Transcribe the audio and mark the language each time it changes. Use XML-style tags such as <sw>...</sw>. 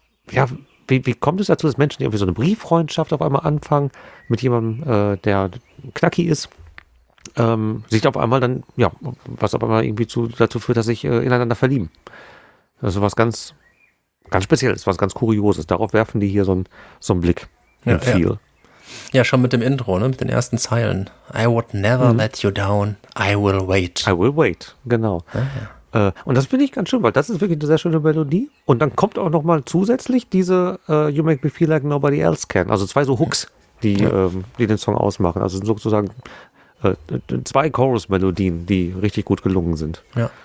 <de>Ja, wie kommt es dazu, dass Menschen irgendwie so eine Brieffreundschaft auf einmal anfangen mit jemandem, der knacki ist? sieht auf einmal dann, ja, was auf einmal irgendwie dazu führt, dass sich ineinander verlieben. Das ist was ganz, ganz Spezielles, was ganz Kurioses. Darauf werfen die hier so einen Blick im Feel. Ja, schon mit dem Intro, ne? Mit den ersten Zeilen.</de> <en>I would never let you down, I will wait. I will wait,</en> <de>genau. Ja. Und das finde ich ganz schön, weil das ist wirklich eine sehr schöne Melodie. Und dann kommt auch nochmal zusätzlich diese</de> <en>You make me feel like nobody else can.</en> <de>Also zwei so Hooks, die den Song ausmachen. Also sozusagen zwei Chorus-Melodien, die richtig gut gelungen sind. Ja.</de>